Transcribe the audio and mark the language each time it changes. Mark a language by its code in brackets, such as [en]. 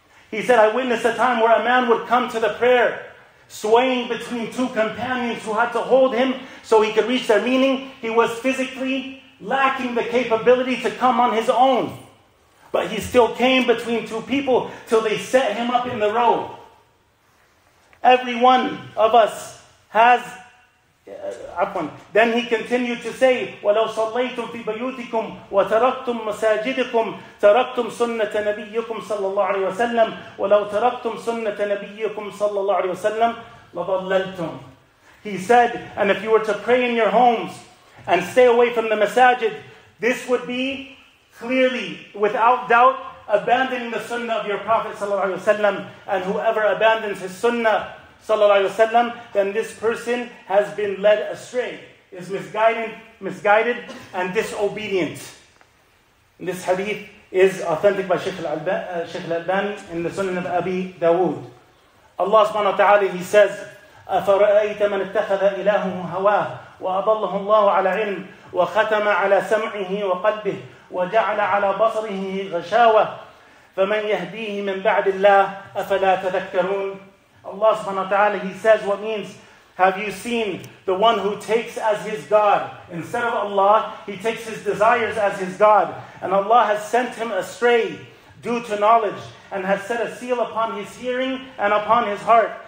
[en] He said, I witnessed a time where a man would come to the prayer swaying between two companions who had to hold him so he could reach their meaning. He was physically lacking the capability to come on his own. But he still came between two people till they set him up in the row. Every one of us has... Then he continued to say, [ar] وَلَوْ صَلَّيْتُمْ فِي بَيُوتِكُمْ وَتَرَكْتُمْ مَسَاجِدِكُمْ تَرَكْتُمْ سُنَّةَ نَبِيِّكُمْ صَلَّى اللَّهُ عَلَيْهِ وَسَلَّمْ وَلَوْ تَرَكْتُمْ سُنَّةَ نَبِيِّكُمْ صَلَّى اللَّهُ عَلَيْهِ وَسَلَّمْ لَضَلَّلْتُمْ. [en] He said, and if you were to pray in your homes and stay away from the masajid, this would be clearly, without doubt, abandoning the sunnah of your Prophet sallallahu alayhi wa sallam. And whoever abandons his sunnah sallallahu alayhi wa sallam, then this person has been led astray, is misguided and disobedient. In this hadith, is authentic by Sheikh al-Albani in the Sunan of Abi Dawood. Allah subhanahu wa ta'ala, he says, [ar] أَفَرَأَيْتَ مَنْ اتَّخَذَ إِلَهُهُ هَوَاهُ وَأَضَلَّهُ اللَّهُ عَلَى عِلْمٍ وَخَتَمَ عَلَى سَمْعِهِ وَقَلْبِهِ وَجَعْلَ عَلَى بَصْرِهِ غَشَاوَةً فَمَنْ يَهْدِيهِ مِنْ بَعْدِ اللَّهِ أَفَلَا تَذَكَّرُونَ. [en] Allah subhanahu wa ta'ala, he says, what means, have you seen the one who takes as his God? Instead of Allah, he takes his desires as his God. And Allah has sent him astray due to knowledge and has set a seal upon his hearing and upon his heart.